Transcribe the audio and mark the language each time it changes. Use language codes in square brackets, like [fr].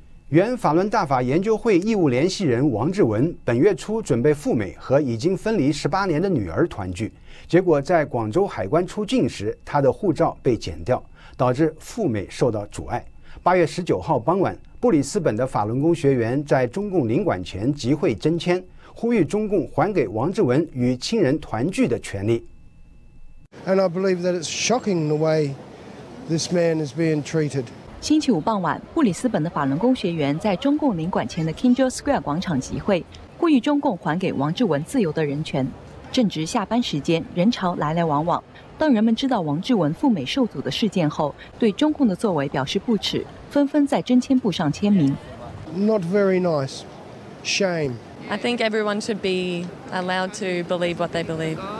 [zh] 原法轮大法研究会义务联系人王志文本月初准备赴美和已经分离18年的女儿团聚，结果在广州海关出境时，他的护照被剪掉，导致赴美受到阻碍。 8月19号傍晚，布里斯本的法轮功学员在中共领馆前集会征签，呼吁中共还给王志文与亲人团聚的权利。 [en] And I believe that it's shocking the way this man is being treated. [zh] 星期五傍晚，布里斯本的法轮功学员在中共领馆前的 King George Square 广场集会，呼吁中共还给王志文自由的人权。正值下班时间，人潮来来往往。当人们知道王志文赴美受阻的事件后，对中共的作为表示不耻，纷纷在征签簿上签名。 [en] Not very nice. Shame. I think everyone should be allowed to believe what they believe.